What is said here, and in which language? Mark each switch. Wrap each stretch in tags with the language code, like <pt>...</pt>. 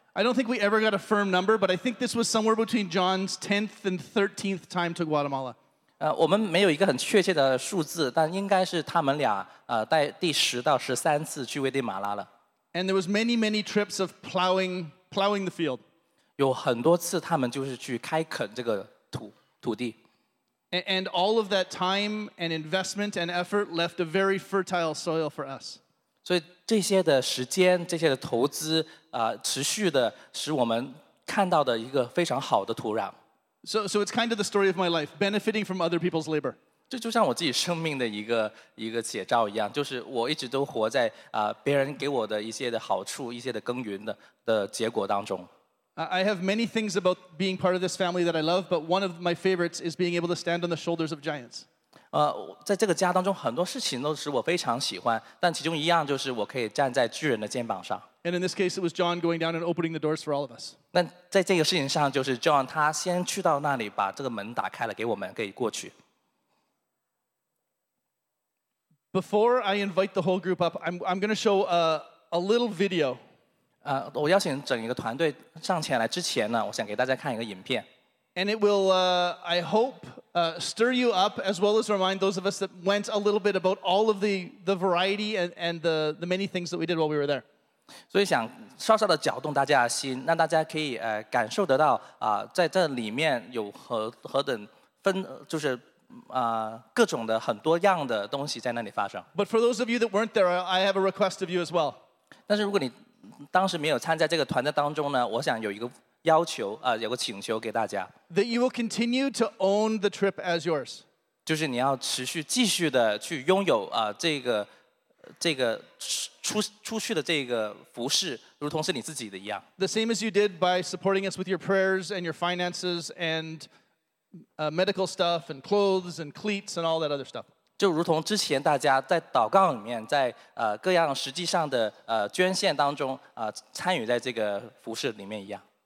<en>I don't think we ever got a firm number, but I think this was somewhere between John's 10th and 13th time to Guatemala.</en> <zh>我们没有一个很确切的数字，但应该是他们俩带第十到十三次去危地马拉了。</zh> <en>And there was many trips of plowing the field.</en> <zh>有很多次他们就是去开垦这个 土地</zh> <en>and all of that time and investment and effort left a very fertile soil for us</en> <zh>所以这些的时间这些的投资持续的使我们看到的一个非常好的土壤</zh> <en>so it's kind of the story of my life benefiting from other people's labor</en> <zh>这就像我自己生命的一个写照一样就是我一直都活在别人给我的一些的好处一些的耕耘 的结果当中</zh> <en>I have many things about being part of this family that I love, but one of my favorites is being able to stand on the shoulders of giants.</en> <zh>在这个家当中，很多事情都是我非常喜欢，但其中一样就是我可以站在巨人的肩膀上。</zh> <en>And in this case, it was John going down and opening the doors for all of us.</en> <zh>那在这个事情上，就是 John 他先去到那里，把这个门打开了，给我们可以过去。</zh> <en>Before I invite the whole group up, I'm going to show a little video.</en> <zh>我邀请整一个团队上前来之前呢，我想给大家看一个影片。</zh> <en>And it will, I hope, stir you up as well as remind those of us that went a little bit about all of the variety and the many things that we did while we were there.</en> <zh>所以想稍稍的搅动大家的心，让大家可以感受得到在这里面有何等分就是。各种的很多样的东西在那里发生。</zh> <en>But for those of you that weren't there, I have a request of you as well.</en> <zh>但是如果你当时没有参加这个团的当中呢，我想有一个要求啊，有个请求给大家。</zh> <en>That you will continue to own the trip as yours.</en> <zh>就是你要持续继续的去拥有这个出去的这个服饰，如同是你自己的一样。</zh> <en>The same as you did by supporting us with your prayers and your finances and medical stuff and clothes and cleats and all that other stuff.</en> <zh>就如同之前大家在祷告里面，在各样实际上的捐献当中参与在这个服事里面一样。</zh>